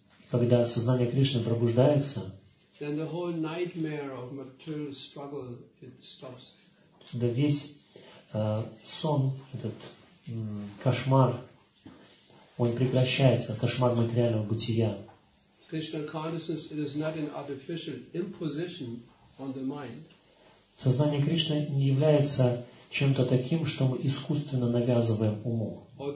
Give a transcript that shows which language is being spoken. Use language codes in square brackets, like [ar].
[ru] Когда сознание Кришны пробуждается, [en] then the whole nightmare of material struggle, it stops. [ru] Да весь сон, этот кошмар, он прекращается, кошмар материального бытия. [en] Krishna consciousness, it is not an artificial imposition on the mind. [ru] Сознание Кришны не является чем-то таким, что мы искусственно навязываем уму.